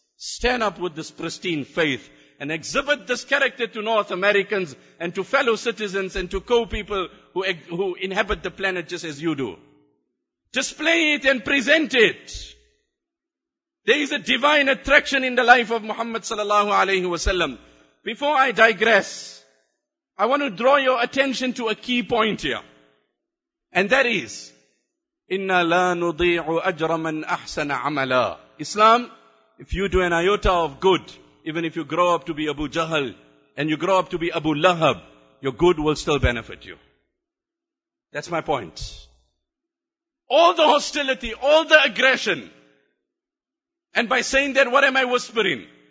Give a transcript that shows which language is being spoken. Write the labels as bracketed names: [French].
[English] Stand up with this pristine faith and exhibit this character to North Americans and to fellow citizens and to co-people who inhabit the planet just as you do. Display it and present it. There is a divine attraction in the life of Muhammad sallallahu alaihi wasallam. Before I digress, I want to draw your attention to a key point here. And that is, [Arabic] إِنَّا لَا نُضِيعُ أَجْرَ مَنْ أَحْسَنَ عَمَلًا. [English] Islam, if you do an iota of good, even if you grow up to be Abu Jahl and you grow up to be Abu Lahab, your good will still benefit you. That's my point. All the hostility, all the aggression. And by saying that, what am I whispering?